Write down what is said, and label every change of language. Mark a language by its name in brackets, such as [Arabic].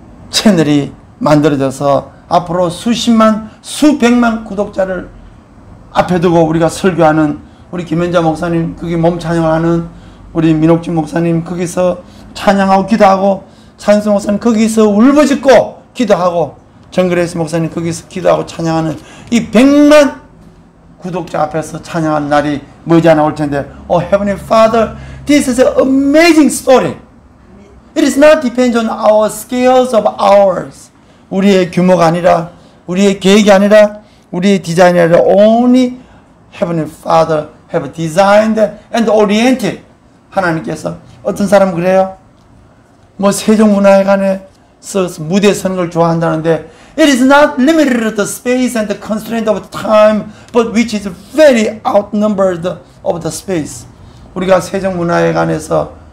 [Korean] 채널이 만들어져서 앞으로 수십만 수백만 구독자를 앞에 두고 우리가 설교하는 우리 김현자 목사님 거기 몸 찬양하는 우리 민옥진 목사님 거기서 찬양하고 기도하고 찬송 목사님 거기서 울부짖고 기도하고 정글에스 목사님 거기서 기도하고 찬양하는 이 백만 구독자 앞에서 찬양하는 날이 머지않아 올 텐데 [English] Oh Heavenly Father, this is an amazing story. It is not dependent on our scales of hours. [Korean] 우리의 규모가 아니라 우리의 계획이 아니라 우리의 디자인이 아니라 [English] Only Heavenly Father have designed and oriented [Korean] 하나님께서 어떤 사람은 그래요? 뭐 세종문화회관에 무대에 서는 걸 좋아한다는데 [English] It is not limited to the space and the constraint of time but which is very outnumbered of the space [Korean] 우리가 세종문화회관에서